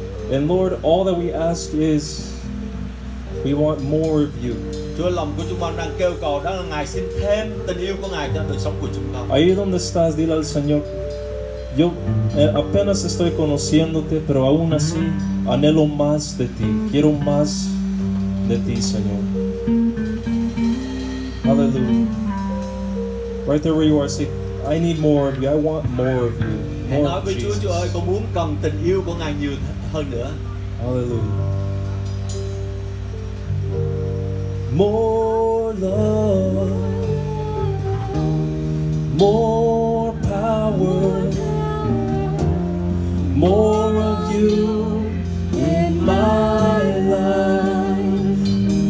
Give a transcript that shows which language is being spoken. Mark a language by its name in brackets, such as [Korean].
[English] And Lord, all that we ask is, we want more of you. [Vietnamese] Chúa, lòng của chúng con đang kêu cầu đó là Ngài xin thêm tình yêu của Ngài cho đời sống của chúng con. [Spanish] Ahí donde estás, dile al Señor, yo apenas estoy conociéndote, pero aún así anhelo más de ti. Quiero más de ti, Señor. Hallelujah. [English] Right there where you are, say, I need more of you. I want more of you. [Vietnamese] Hãy nói với Chúa, Chúa ơi, con muốn cần tình yêu của Ngài nhiều hơn nữa. Hallelujah. [English] More love, more power, more of you in my life.